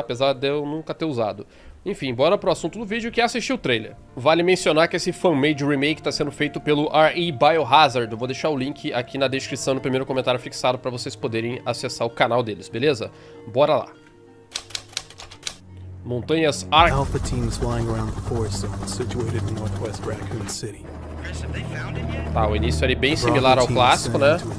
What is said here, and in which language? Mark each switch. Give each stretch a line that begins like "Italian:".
Portuguese: Apesar de eu nunca ter usado. Enfim, bora pro assunto do vídeo, que é assistir o trailer. Vale mencionar que esse fan-made remake tá sendo feito pelo RE Biohazard. Vou deixar o link aqui na descrição, no primeiro comentário fixado, pra vocês poderem acessar o canal deles, beleza? Bora lá. Montanhas Ark.
English: Alpha teams flying around the forest zone, situated in Northwest Raccoon City.
Portuguese: Tá, o início ali bem similar ao clássico, né?